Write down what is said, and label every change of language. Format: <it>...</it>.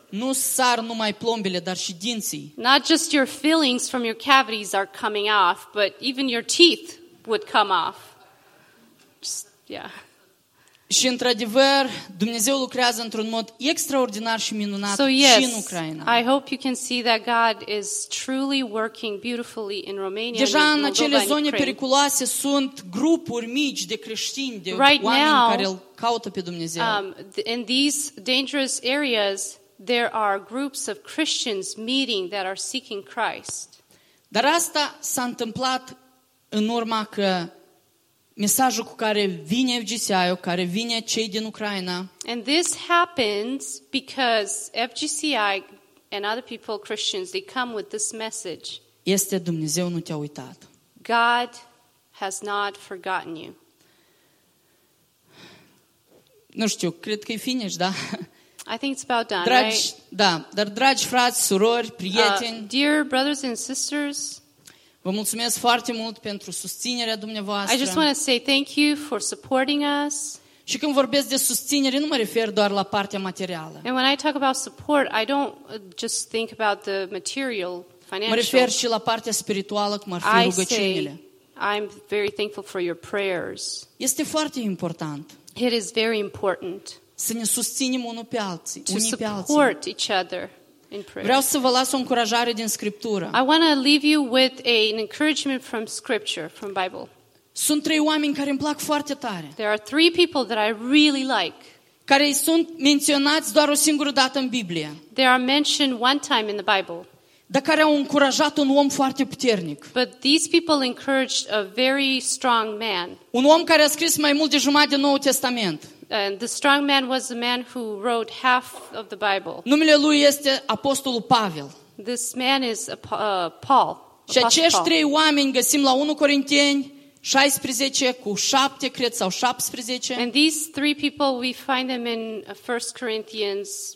<ro>Nu sar numai plombele, dar și dinții.</ro> <en>Not just your fillings from your cavities are coming off, but even your teeth would come off.</en> <ro>Și într-adevăr, Dumnezeu lucrează într-un mod extraordinar și minunat și în Ucraina.</ro> <en>I hope you can see that God is truly working beautifully in Romania.</en> <ro>Deja în acele zone periculoase sunt grupuri mici de creștini, de oameni care îl caută pe Dumnezeu.</ro> <en>In these dangerous areas, there are groups of Christians meeting that are seeking Christ.</en> <ro>Dar asta s-a întâmplat în urma că mesajul cu care vine FGCI, care vine cei din Ucraina.</ro> <en>And this happens because FGCI and other people, Christians, they come with this message.</en> <ro>Este Dumnezeu nu te-a uitat.</ro> <en>God has not forgotten you.</en> <ro>Nu știu, cred că e finish, da?</ro> <en>I think it's about done,</en> <ro>dragi,</ro> <en>right?</en> <ro>Da, dar dragi frați, surori, prieteni.</ro> <en>Dear brothers and sisters.</en> <ro>Vă mulțumesc foarte mult pentru susținerea dumneavoastră.</ro> <en>I just want to say thank you for supporting us.</en> <ro>Și când vorbesc de susținere, nu mă refer doar la partea materială.</ro> <en>And when I talk about support, I don't just think about the material, financial.</en> <ro>Mă refer și la partea spirituală, cum ar fi rugăciunile.</ro> <en>I'm very thankful for your prayers.</en> <ro>Este foarte important.</ro> <en>It is very important.</en> <ro>Să ne susținem unul pe alții,</ro> <en>Support each other.</en> <ro>Vreau să vă las o încurajare din Scriptură.</ro> <en>I want to leave you with an encouragement from Scripture, from Bible.</en> <ro>Sunt trei oameni care îmi plac foarte tare.</ro> <en>There are three people that I really like.</en> <ro>Care sunt menționați doar o singură dată în Biblie.</ro> <en>They are mentioned one time in the Bible.</en> <ro>Dar care au încurajat un om foarte puternic.</ro> <en>But these people encouraged a very strong man.</en> <ro>Un om care a scris mai mult de jumătate din Noul Testament.</ro> <en>And the strong man was the man who wrote half of the Bible.</en> <ro>Numele lui este Apostolul Pavel.</ro> <en>This man is Paul.</en> <ro>Și acești trei oameni găsim la 1 Corinteni 16 cu 7, cred, sau 17.</ro> <en>And these three people we find them in 1 Corinthians.</en>